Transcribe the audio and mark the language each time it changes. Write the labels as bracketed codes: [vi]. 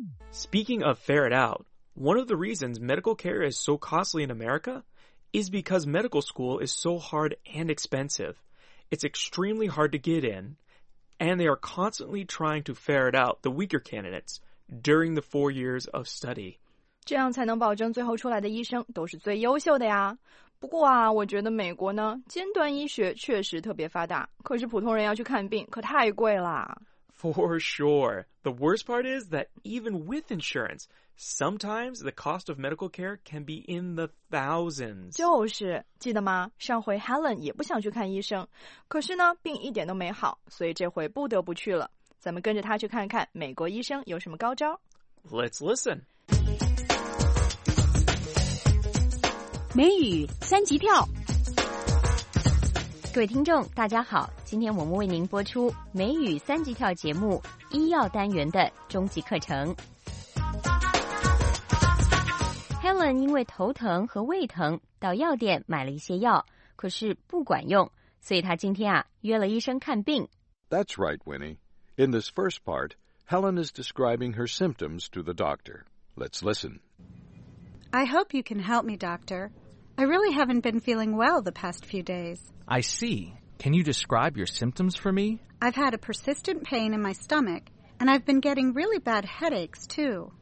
[en] Speaking of ferret out, one of the reasons medical care is so costly in America is because medical school is so hard and expensive. It's extremely hard to get in, and they are constantly trying to ferret out the weaker candidates during the 4 years of study. [zh] 这样才能保证最后出来的医生都是最优秀的呀。不过啊，我觉得美国呢，尖端医学确实特别发达，可是普通人要去看病可太贵了。 [en] For sure. The worst part is that even with insurance, sometimes the cost of medical care can be in the thousands. [zh] 就是，记得吗？上回 Helen 也不想去看医生，可是呢，病一点都没好，所以这回不得不去了。咱们跟着他去看看美国医生有什么高招。 [en] Let's listen. [zh] 美语三级跳。各位听众大家好，今天我们为您播出美语三级跳节目医药单元的终极课程。 Helen 因为头疼和胃疼到药店买了一些药，可是不管用，所以她今天啊约了医生看病。 [en] That's right, Winnie. In this first part, Helen is describing her symptoms to the doctor. Let's listen. I hope you can help me, doctor. I really haven't been feeling well the past few days. I see. Can you describe your symptoms for me? I've had a persistent pain in my stomach, and I've been getting really bad headaches, too.